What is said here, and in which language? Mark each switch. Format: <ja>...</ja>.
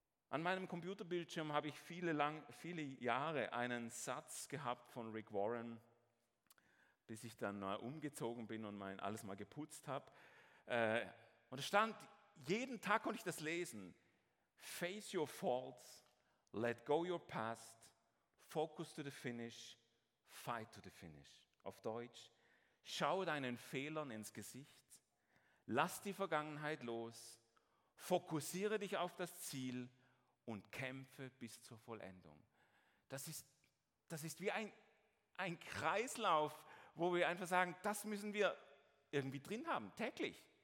<de>An meinem Computerbildschirm habe ich viele Jahre einen Satz gehabt von Rick Warren, bis ich dann mal umgezogen bin und alles mal geputzt habe. Und es stand, jeden Tag konnte ich das lesen.</de> <en>Face your faults, let go your past, focus to the finish, fight to the finish.</en> <de>Auf Deutsch, schau deinen Fehlern ins Gesicht, lass die Vergangenheit los, fokussiere dich auf das Ziel, und kämpfe bis zur Vollendung. Das ist wie ein Kreislauf, wo wir einfach sagen, das müssen wir irgendwie drin haben, täglich.</de>